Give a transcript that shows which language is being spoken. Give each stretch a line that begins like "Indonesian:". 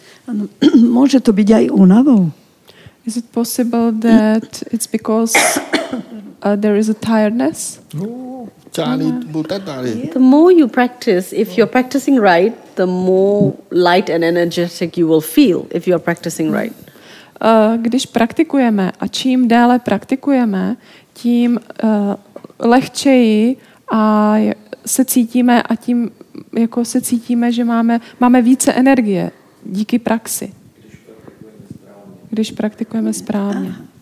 Czech: Ano, může to být aj únavou.
English: Is it possible that it's because there is a tiredness? The more you practice, if you're practicing right, the more light and energetic you will feel if you're practicing right.
Czech: Když praktikujeme a čím déle praktikujeme, tím lehčeji a se cítíme a tím jako se cítíme, že máme více energie díky praxi. Když praktikujeme správně.